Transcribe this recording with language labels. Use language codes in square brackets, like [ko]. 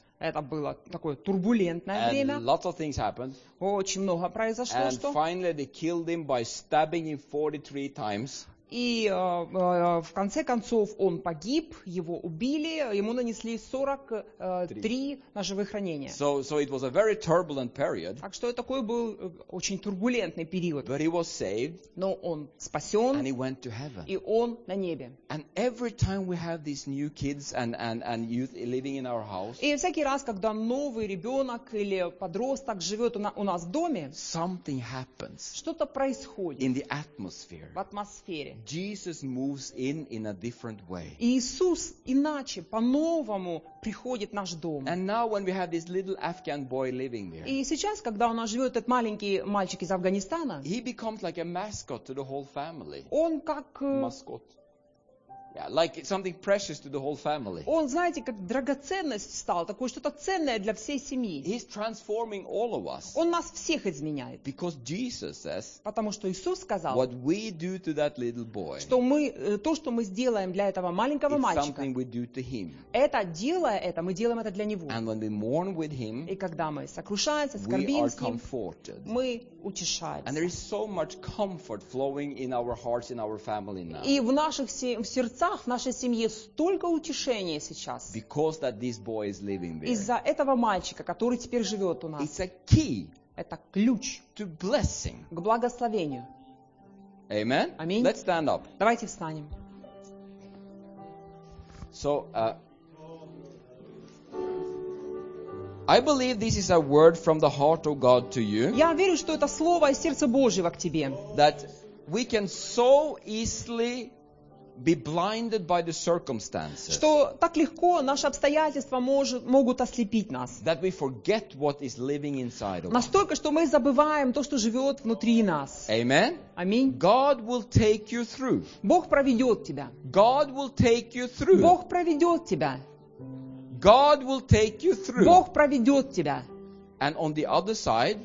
[ru] Это было такое турбулентное [en] and [ru] время. [en] Lots of things happened. [ru] Очень много произошло. [en] And [ru] что? [en] Finally they killed him by stabbing him 43 times. [ru] И в конце концов он погиб, его убили, ему нанесли 43 ножевых ранения. [en] So it was a very turbulent period. [ru] Так что такой был очень турбулентный период. [en] But he was saved. [ru] Но он спасен. [en] And he went to heaven. [ru] И он на небе. [en] And every time we have these new kids and youth living in our house. [ru] И всякий раз, когда новый ребенок или подросток живет у нас в доме. [en] Something happens. [ru] Что-то происходит. [en] In the atmosphere. [ru] В атмосфере. [en] Jesus moves in a different way. [ru] Иисус иначе, по-новому приходит в наш дом. [en] And now when we have this little Afghan boy living there. [ru] И сейчас, когда у нас живет этот маленький мальчик из Афганистана. [en] He becomes like a mascot to the whole family. [ru] Он как маскот. [en] Yeah, like something precious to the whole family. [ru] Он, знаете, как драгоценность стал, такое что-то ценное для всей семьи. [en] He's transforming all of us. [ru] Он нас всех изменяет. [en] Because Jesus says. [ru] Потому что Иисус сказал. [en] What we do to that little boy. [ru] Что мы то, что мы сделаем для этого маленького мальчика. [en] Something we do to him. [ru] Это делая это, мы делаем это для него. [en] And when we mourn with him. [ru] И когда мы сокрушаемся, скорбим с ним. [en] We are comforted. [ru] Мы утешаемся. [en] And there is so much comfort flowing in our hearts, in our family now. [ru] И в наших сердцах сердцах нашей семьи столько утешения сейчас. [en] Because that this boy is living there. [ru] Из-за этого мальчика, который теперь живет у нас. [en] It's a key. [ru] Это ключ [en] to blessing. [ru] К благословению. [en] Amen. [ru] Аминь. [en] Let's stand up. [ru] Давайте встанем. [en] So, I believe this is a word from the heart of God to you. [ru] Я верю, что это слово из сердца Божьего к тебе. [en] That we can so easily be blinded by the circumstances. [ru] Что так легко наши обстоятельства могут ослепить нас. [en] That we forget what is living inside of us. [ru] Настолько, что мы забываем то, что живет внутри нас. [en] Amen. [ru] Аминь. [en] God will take you through. [ru] Бог проведет тебя. [en] God will take you through. [ru] Бог проведет тебя. [en] God will take you through. [ru] Бог проведет тебя. [en] And on the other side,